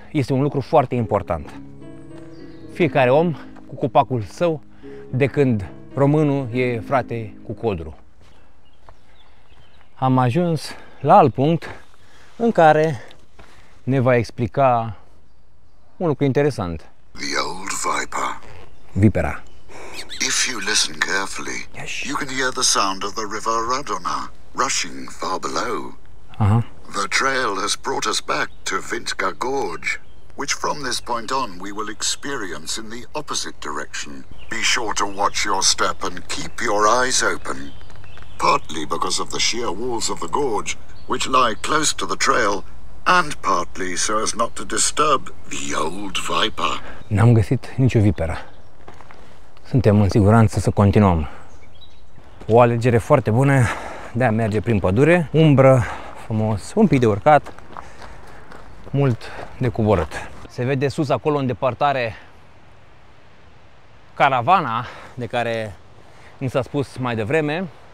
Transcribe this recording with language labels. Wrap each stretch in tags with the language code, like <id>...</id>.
<ro>Este un lucru foarte important. Fiecare om cu copacul său, de când românul e frate cu codru. Am ajuns la alt punct în care ne va explica un lucru interesant.</ro> <en>The old viper.</en> <ro>Vipera.</ro> <en>If you listen carefully, you can hear the sound of the river Radona rushing far below. Aha. The trail has brought us back to Vintgă Gorge, which from this point on we will experience in the opposite direction. Be sure to watch your step and keep your eyes open. Partly because of the sheer walls of the gorge, which lie close to the trail, and partly so as not to disturb the old viper.</en> <ro>N-am găsit nicio viperă. Suntem în siguranță să continuăm. O alegere foarte bună de a merge prin pădure, umbră, frumos, un pic de urcat, mult de coborât. Se vede sus acolo în depărtare caravana de care mi s-a spus mai devreme.</ro>